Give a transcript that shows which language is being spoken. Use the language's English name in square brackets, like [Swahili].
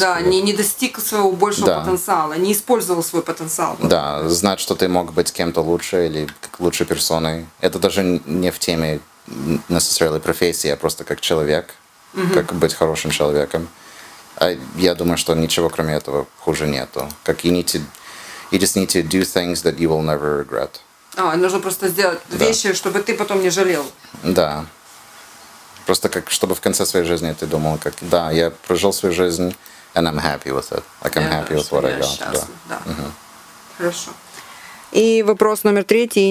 [Russian] Да, не достиг своего большего потенциала, не использовал свой потенциал. Да, знать, что ты мог быть кем-то лучше или как лучшей персоной. Это даже не в теме [English] necessarily [Russian] профессии, а просто как человек, как быть хорошим человеком. А я думаю, что ничего кроме этого хуже нету. [English] Как you just need to do things that you will never regret. [Russian] А, нужно просто сделать вещи, чтобы ты потом не жалел. Да. Просто как, чтобы в конце своей жизни ты думал, как, да, я прожил свою жизнь, [English] and I'm happy with it. Like, I'm happy with what I got. [Russian] Да. Хорошо. И вопрос номер 3.